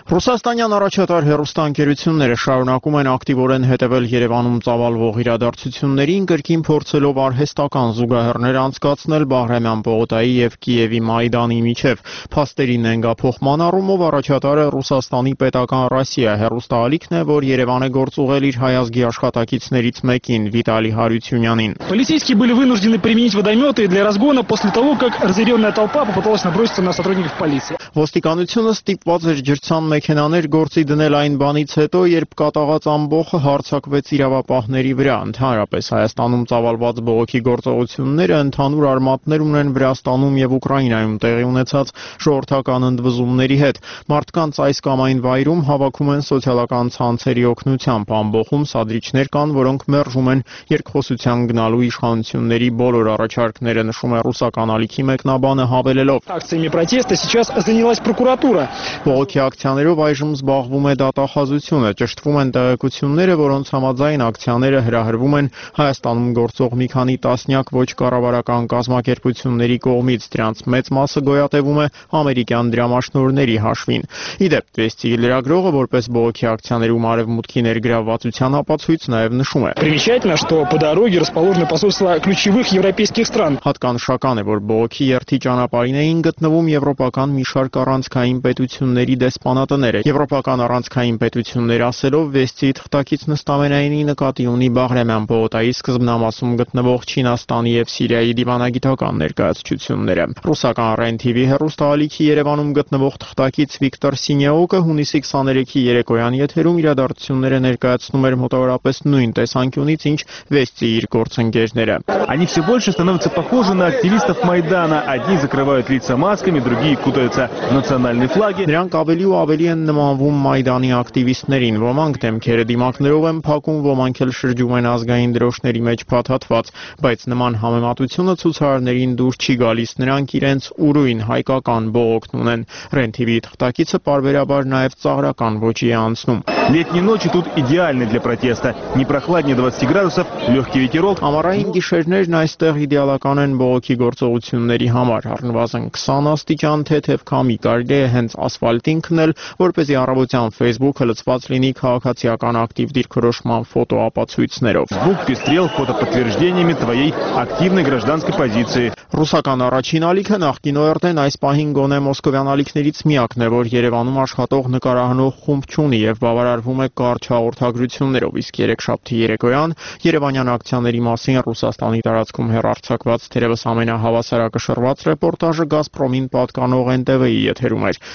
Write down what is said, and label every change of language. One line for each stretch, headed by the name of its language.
Armenian: Ռուսաստանյան առաջատար հեռուստաընկերությունները շարունակում են ակտիվորեն հետևել Երևանում ծավալվող իրադարձություններին, կրկին փորձելով արհեստական զուգահեռներ անցկացնել Բաղրամյան պողոտայի և Կիևի Մայդանի միջև։ Փաստերի նենգափոխման առումով առաջատարը Ռուսաստանի պետական Ռասիա հեռուստաալիքն է, որ Երևանը գործուղել իր հայազգի աշխատակիցներից մեկին՝ Վիտալի Հարությունյանին։
Russian: Полицейские были вынуждены применить водометы для разгона после того, как разъярённая толпа попыталась наброситься на сотрудников полиции։
Armenian: Ոստիկանությունը ստիպված էր ջրցան մեքենաներ գործի դնել այն բանից հետո, երբ կատաղած ամբոխը հարձակվեց իրավապահների վրա։ Ընդհանրապես Հայաստանում ծավալված բողոքի գործողությունները ընդհանուր արմատներ ունեն Վրաստանում և Ուկրաինայում տեղի ունեցած ժողովրդական ընդվզումների հետ։ Մարդկանց այս կամ այն վայրում հավաքում են սոցիալական ցանցերի օգնությամբ, ամբոխում սադրիչներ կան, որոնք մերժում են երկխոսության գնալու իշխանությունների բոլոր առաջարկները, նշում է ռուսական ալիքի մեկնաբանը, հավելելով.
Russian: Акциями протеста сейчас занялась прокуратура.
Armenian: Բողոքի ակցիան պայմաններով այժմ զբաղվում է դատախազությունը, ճշտվում են տեղեկությունները, որոնց համաձայն ակցիաները հրահրվում են Հայաստանում գործող մի քանի տասնյակ ոչ կառավարական կազմակերպությունների կողմից, դրանց մեծ մասը գոյատևում է ամերիկյան դրամաշնորների հաշվին։ Ի դեպ, Տրեստի լրագրողը, որպես բողոքի ակցիաներում արևմուտքի ներգրավվածության ապացույց, նաև նշում է.
Russian: Примечательно, что по дороге расположены посольства ключевых европейских стран.
Armenian: Հատկանշական է, որ բողոքի երթի ճանապարհին էին գտնվում եվրոպական մի շարք առանցքային պետությունների դեսպանատները։ Եվրոպական առանցքային պետություններ ասելով, Վեստի թղթակից նստամենայինի նկատի ունի Բաղրամյան պողոտայի սկզբնամասում գտնվող Չինաստանի և Սիրիայի դիվանագիտական ներկայացությունները։ Ռուսական Ռեն-ՏՎ-ի հեռուստաալիքի Երևանում գտնվող թղթակից Վիկտոր Սինյաուկը հունիսի 23-ի երեկոյան եթերում իրադարձությունները ներկայացնում էր մոտավորապես նույն տեսանկյունից, ինչ Վեստի իր գործընկերները։
Russian: Они все больше становятся похожи на активистов Майдана. Одни закрывают лица масками, другие кутаются в национальные флаги.
Armenian: Նրանք ավելի ու ավելի են նմանվում Մայդանի ակտիվիստներին, ոմանք դեմքերը դիմակներով են փակում, ոմանք էլ շրջում են ազգային դրոշների մեջ փաթաթված, բայց նման համեմատությունը ցուցարարներին դուր չի գալիս, նրանք իրենց ուրույն հայկական բողոքն ունեն։ Ռեն-ՏՎ-ի թղթակիցը պարբերաբար նաև ծաղրական ոճի է անցնում.
Russian: Летние ночи тут идеальны для протеста. Не прохладнее 20 градусов, легкий ветерок.
Armenian: Ամառային գիշերներն այստեղ իդեալական են բողոքի գործողությունների համար, առնվազն 20 աստիճան, թեթև քամի, կարելի է հենց ասֆալտին քնել, որպեսզի առավոտյան Facebook-ը լցված լինի քաղաքացիական ակտիվ դիրքորոշման ֆոտոապացույցներով։
Russian: Звук пестрел фотоподтверждениями твоей активной гражданской позиции։
Armenian: Ռուսական առաջին ալիքը նախկին օրդեն այս պահին գոնե մոսկովյան ալիքներից միակն է, որ Երևանում աշխատող նկարահանող խումբ չունի եւ բավարարվում է կարճ հաղորդագրություններով, իսկ երեքշաբթի երեկոյան Երևանյան ակցիաների մասին Ռուսաստանի տարածքում հեռարձակված թերևս ամենահավասարակշռված ռեպորտաժը Գազպրոմին պատկանող NTV-ի եթերում էր։